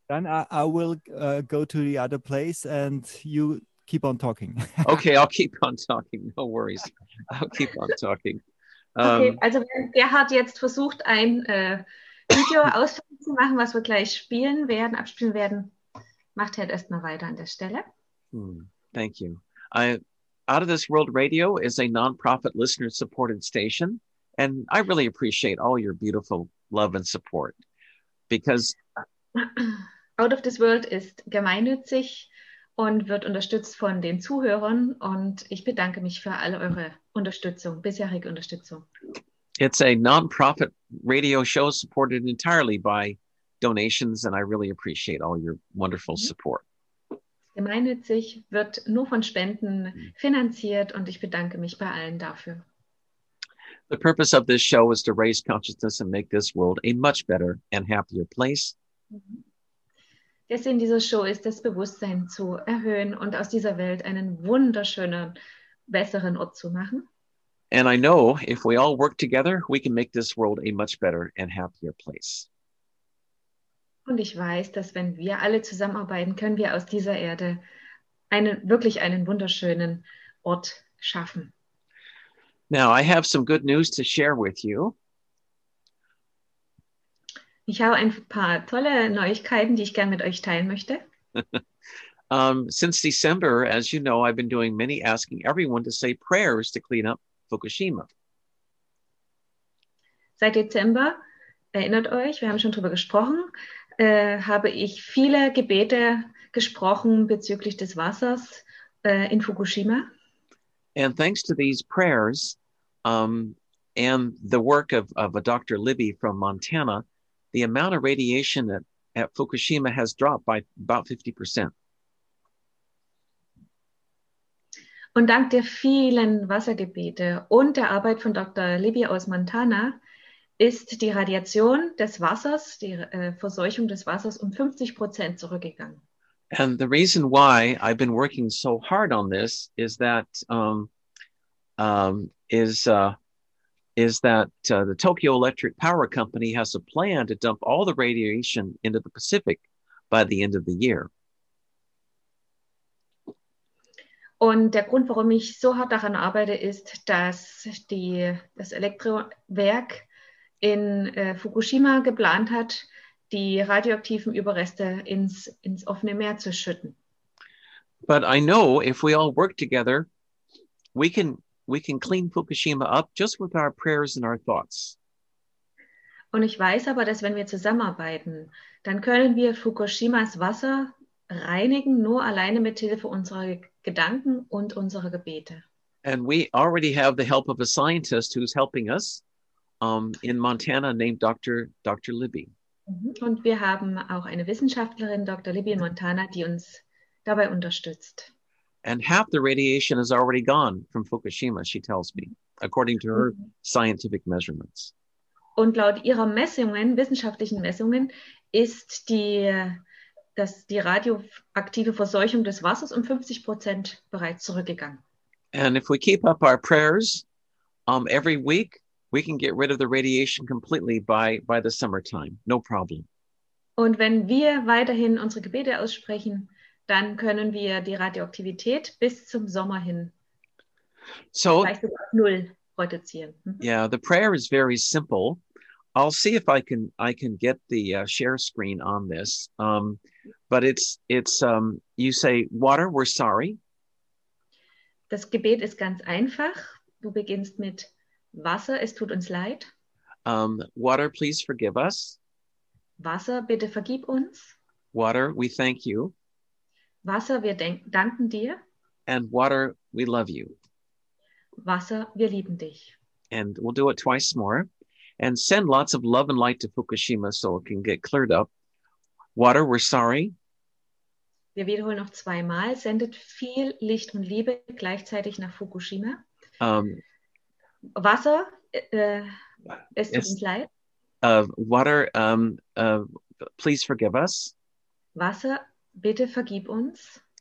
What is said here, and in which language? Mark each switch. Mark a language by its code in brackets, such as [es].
[en] then I will go to the other place, and you keep on talking. Okay, I'll keep on talking. No worries, I'll keep on talking. [de] Okay, also wenn Gerhard jetzt versucht, ein Video ausfindig zu machen, was wir gleich abspielen werden, macht Ted erstmal weiter an der Stelle. [en] Thank you. I, Out of This World Radio is a nonprofit listener-supported station, and I really appreciate all your beautiful love and support, because [de] Out of This World ist gemeinnützig und wird unterstützt von den Zuhörern, und ich bedanke mich für all eure Unterstützung, bisherige Unterstützung. [en] It's a nonprofit radio show supported entirely by donations, and I really appreciate all your wonderful support. [de] Gemeinnützig wird nur von Spenden finanziert, und ich bedanke mich bei allen dafür. [en] The purpose of this show is to raise consciousness and make this world a much better and happier place. [de] Der Sinn dieser Show ist, das Bewusstsein zu erhöhen und aus dieser Welt einen wunderschönen, besseren Ort zu machen. [en] And I know if we all work together, we can make this world a much better and happier place. [de] Und ich weiß, dass wenn wir alle zusammenarbeiten, können wir aus dieser Erde einen wirklich einen wunderschönen Ort schaffen. [en] Now, I have some good news to share with you. [de] Ich habe ein paar tolle Neuigkeiten, die ich gerne mit euch teilen möchte. [en] Since December, as you know, I've been doing many asking everyone to say prayers to clean up Fukushima. [de] Seit Dezember, erinnert euch, wir haben schon drüber gesprochen, habe ich viele Gebete gesprochen bezüglich des Wassers in Fukushima. [en] And thanks to these prayers and the work of a Dr. Libby from Montana, the amount of radiation at Fukushima has dropped by about 50%. [de] Und dank der vielen Wassergebete und der Arbeit von Dr. Libby aus Montana ist die Radiation des Wassers, die Verseuchung des Wassers um 50% zurückgegangen. [en] And the reason why I've been working so hard on this is that the Tokyo Electric Power Company has a plan to dump all the radiation into the Pacific by the end of the year. [de] Und der Grund, warum ich so hart daran arbeite, ist, dass das Elektrowerk in Fukushima geplant hat, die radioaktiven Überreste ins offene Meer zu schütten. [en] But I know if we all work together, we can clean Fukushima up just with our prayers and our thoughts. [de] Und ich weiß aber, dass wenn wir zusammenarbeiten, dann können wir Fukushimas Wasser reinigen, nur alleine mit Hilfe unserer Gedanken und unserer Gebete. [en] And we already have the help of a scientist who's helping us in Montana, named Dr. Libby. [de] Und wir haben auch eine Wissenschaftlerin, Dr. Libby in Montana, die uns dabei unterstützt. [en] And half the radiation is already gone from Fukushima, she tells me, according to her scientific measurements. [de] Und laut ihrer Messungen, wissenschaftlichen Messungen, ist die radioaktive Verseuchung des Wassers um 50% bereits zurückgegangen. [en] And if we keep up our prayers every week, we can get rid of the radiation completely by the summertime. No problem. [de] Und wenn wir weiterhin unsere Gebete aussprechen, dann können wir die Radioaktivität bis zum Sommer hin vielleicht sogar auf null reduzieren. [en] Yeah, the prayer is very simple. I'll see if I can get the share screen on this. But it's you say, water, we're sorry. [de] Das Gebet ist ganz einfach. Du beginnst mit Wasser, es tut uns leid. [en] Water, please forgive us. [de] Wasser, bitte vergib uns. [en] Water, we thank you. [de] Wasser, wir danken dir. [en] And water, we love you. [de] Wasser, wir lieben dich. [en] And we'll do it twice more. And send lots of love and light to Fukushima so it can get cleared up. Water, we're sorry. [de] Wir wiederholen noch zweimal. Sendet viel Licht und Liebe gleichzeitig nach Fukushima. Wasser, es tut uns leid. [en] Please forgive us. [de] Wasser, bitte vergib uns.